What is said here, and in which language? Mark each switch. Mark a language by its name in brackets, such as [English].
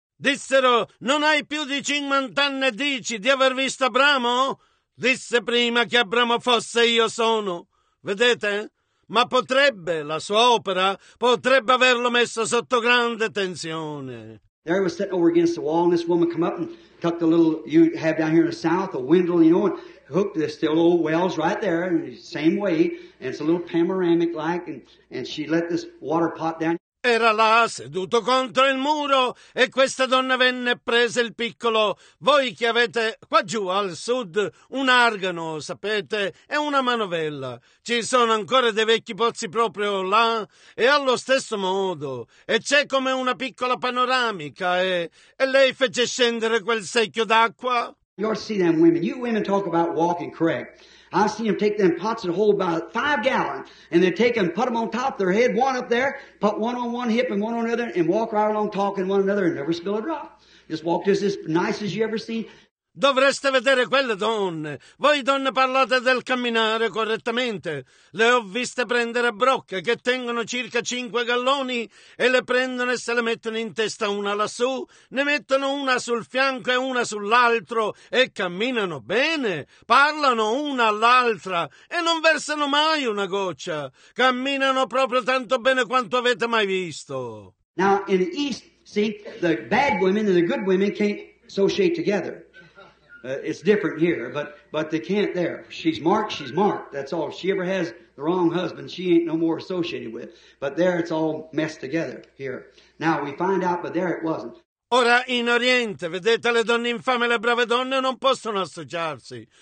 [Italian] Dissero, non hai più di 50 anni e dici di aver visto Abramo? Disse prima che Abramo fosse io sono. Vedete? Ma potrebbe, la sua opera, potrebbe averlo messo sotto grande tensione. [English] There I was sitting over against the wall and this woman come up and took the little you have down here in the south, a windle, you know, and hooked this still old wells right there in the same way. And it's a little panoramic like and she let this water pot down. [Italian] Era là, seduto contro il muro, e questa donna venne e prese il piccolo. Voi che avete qua giù al sud un argano, sapete, e una manovella. Ci sono ancora dei vecchi pozzi proprio là, e allo stesso modo. E c'è come una piccola panoramica, e lei fece scendere quel secchio d'acqua. [English] You see them women. You women talk about walking correct. I've seen them take them pots that hold about 5 gallons, and they take them, put them on top of their head, one up there, put one on one hip and one on the other, and walk right along talking to one another and never spill a drop. Just walk just as nice as you ever seen. [Italian] Dovreste vedere quelle donne. Voi donne parlate del camminare correttamente. Le ho viste prendere brocche che tengono circa 5 galloni e le prendono e se le mettono in testa una lassù, ne mettono una sul fianco e una sull'altro e camminano bene. Parlano una all'altra e non versano mai una goccia. Camminano proprio tanto bene quanto avete mai visto. [English] Now in the East, see, the bad women and the good women can't associate together. It's different here, but they can't there. She's marked, that's all. If she ever has the wrong husband, she ain't no more associated with. But there it's all messed together here. Now we find out, but there it wasn't. [Italian] Ora in Oriente, vedete, le donne infame e le brave donne non possono associarsi.